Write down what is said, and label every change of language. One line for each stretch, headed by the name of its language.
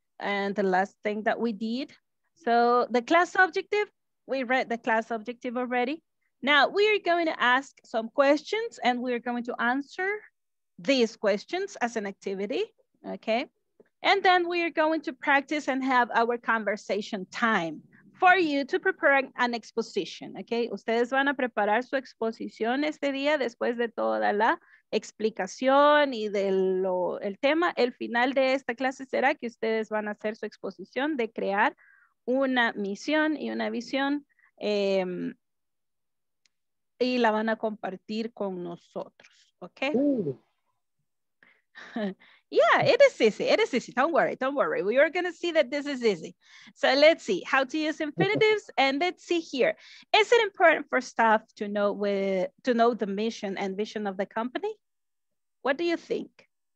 English: And the last thing that we did. So the class objective, we read the class objective already. Now we are going to ask some questions and we are going to answer these questions as an activity, okay? And then we are going to practice and have our conversation time for you to prepare an exposition, okay?
Spanish: Ustedes van a preparar su exposición este día después de toda la explicación y del el tema. El final de esta clase será que ustedes van a hacer su exposición de crear una misión y una visión y la van a compartir con nosotros, okay?
English: Yeah, it is easy. It is easy. Don't worry. Don't worry. We are going to see that this is easy. So let's see how to use infinitives. And let's see here. Is it important for staff to know the mission and vision of the company? What do you think?